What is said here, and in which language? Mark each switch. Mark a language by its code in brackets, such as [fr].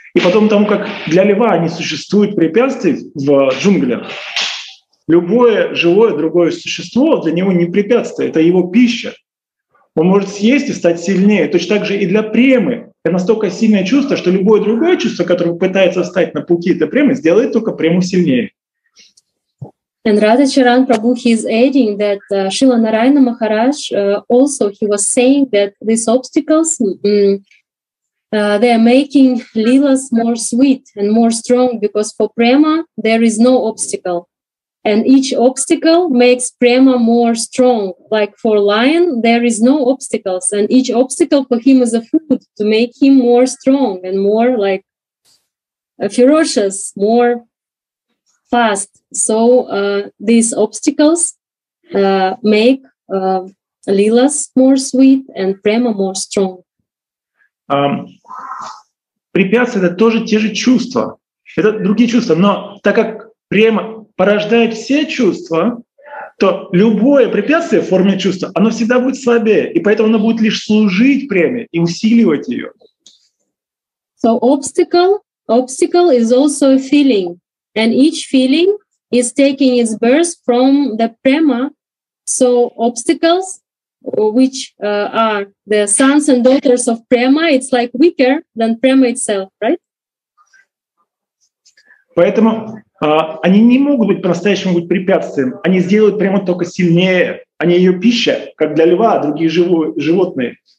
[ru] И потом тому, как для льва не существует препятствий в джунглях, любое живое другое существо для него не препятствие, это его пища. Он может съесть и стать сильнее. Точно так же и для премы. Это настолько сильное чувство, что любое другое чувство, которое пытается встать на пути этой премы, сделает только прему сильнее. [en] And Radha Charan Prabhu, he is adding that Srila Narayana Maharaj also he was saying that these obstacles they are making lilas more sweet and more strong because for prema there is no obstacle and each obstacle makes prema more strong. Like for lion there is no obstacles and each obstacle for him is a food to make him more strong and more like ferocious, more fast. So these obstacles make lilas more sweet and prema more strong. [ru] Препятствия — это тоже те же чувства. Это другие чувства. Но так как према порождает все чувства, то любое препятствие в форме чувства, оно всегда будет слабее. И поэтому оно будет лишь служить преме и усиливать ее. [en] So obstacle is also a feeling. And each feeling is taking its birth from the prema. So obstacles, which are the sons and daughters of prema, it's like weaker than prema itself, right? [ru] Поэтому они не могут быть по-настоящему быть препятствием. Они сделают прему только сильнее. Они ее пища, как для льва, другие животные.